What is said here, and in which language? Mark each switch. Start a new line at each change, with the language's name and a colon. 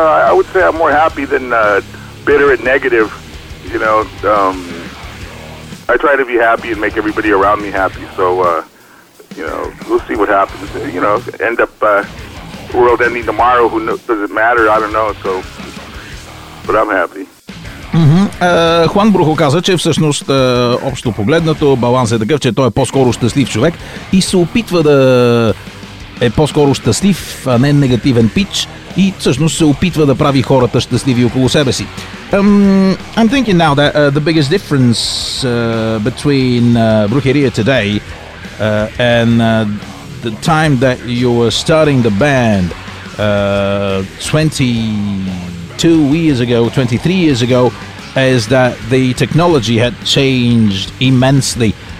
English: I would say I'm more happy than bitter and negative. You know, I try to be happy and make everybody around me happy. So, we'll see what happens. You know, end up world ending tomorrow. Who knows? Does it matter? I don't know. So. But I'm happy.
Bulgarian: Хуан Брухо каза, че всъщност общо погледнато баланс е такъв, че той е по-скоро щастлив човек и се опитва да е по-скоро щастлив, а не негативен пич, и всъщност се опитва да прави хората щастливи около себе си.
English: I'm thinking now that the biggest difference between Brujeria today and the time that you were starting the band 23 years ago, is that the technology had changed immensely.